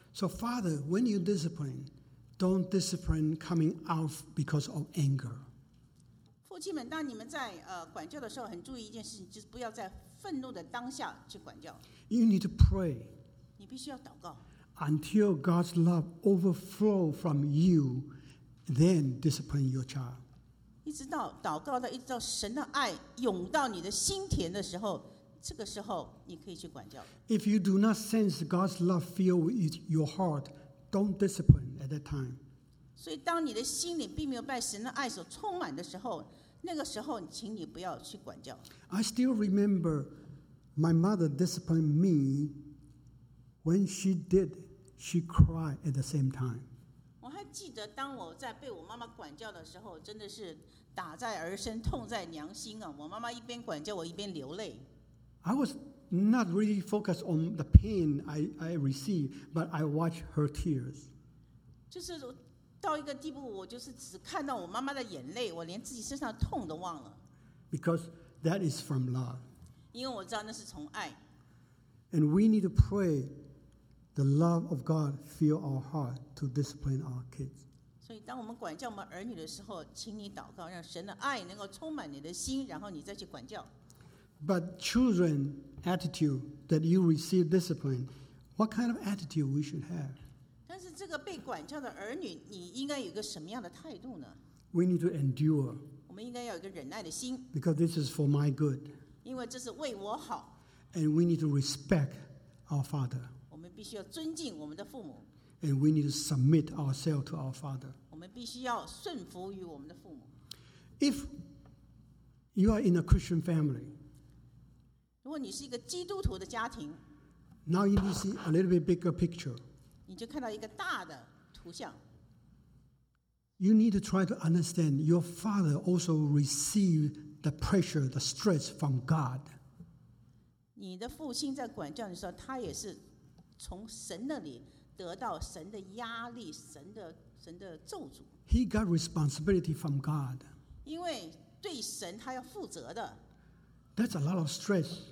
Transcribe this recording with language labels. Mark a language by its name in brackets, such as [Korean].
[English] So, Father, when you discipline, don't discipline coming out because of anger. [Chinese] 父亲们，当你们在管教的时候，很注意一件事情，就是不要在愤怒的当下去管教。 [English] You need to pray. [Chinese] 你必须要祷告。 [English] Until God's love overflow from you, then discipline your child. [Chinese] 一直到祷告的，一直到神的爱涌到你的心田的时候。这个时候你可以去管教。 [English] If you do not sense God's love fill with your heart, don't discipline at that time. [Chinese] 所以当你的心里并没有被神的爱所充满的时候，那个时候请你不要去管教。 [English] I still remember my mother disciplined me. When she did, she cried at the same time. [Chinese] 我还记得当我在被我妈妈管教的时候，真的是打在儿身，痛在娘心啊！我妈妈一边管教我，一边流泪。 [English] I was not really focused on the pain I received, but I watched her tears. [Chinese] 就是到一个地步，我就是只看到我妈妈的眼泪，我连自己身上痛都忘了。 [English] Because that is from love. [Chinese] 因为我知道那是从爱。 [English] And we need to pray the love of God fill our heart to discipline our kids. [Chinese] 所以当我们管教我们儿女的时候，请你祷告，让神的爱能够充满你的心，然后你再去管教。 [English] But children's attitude that you receive discipline, what kind of attitude we should have? [Chinese] 但是这个被管教的儿女，你应该有个什么样的态度呢？ [English] We need to endure. [Chinese] 我们应该要有一个忍耐的心。 [English] Because this is for my good. [Chinese] 因为这是为我好。 [English] And we need to respect our father. [Chinese] 我们必须要尊敬我们的父母。 [English] And we need to submit ourselves to our father. [Chinese] 我们必须要顺服于我们的父母。 [English] If you are in a Christian family, [Chinese] 如果你是一个基督徒的家庭 [English] ，Now you need to see a little bit bigger picture. [Chinese] 你就看到一个大的图像。 [English] You need to try to understand your father also received the pressure, the stress from God. [Chinese] 你的父亲在管教的时候，他也是从神那里得到神的压力，神的咒诅。 [English] He got responsibility from God. [Chinese] 因为对神他要负责的。 [English] That's a lot of stress.